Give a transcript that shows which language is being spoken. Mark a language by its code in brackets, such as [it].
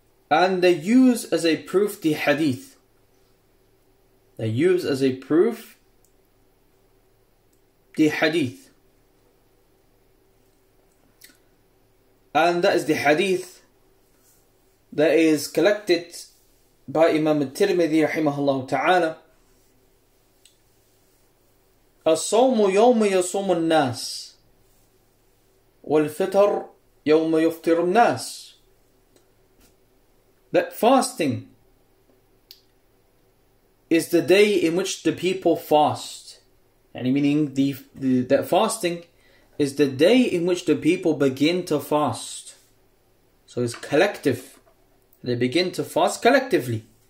[en] And they use as a proof the hadith. They use as a proof the hadith. And that is the hadith that is collected by Imam al-Tirmidhi rahimahullah ta'ala. [ar] الصوم يوم يصوم الناس والفطر يوم يفطر الناس. [en] That fasting is the day in which the people fast. And meaning that fasting is the day in which the people begin to fast. So it's collective. They begin to fast collectively.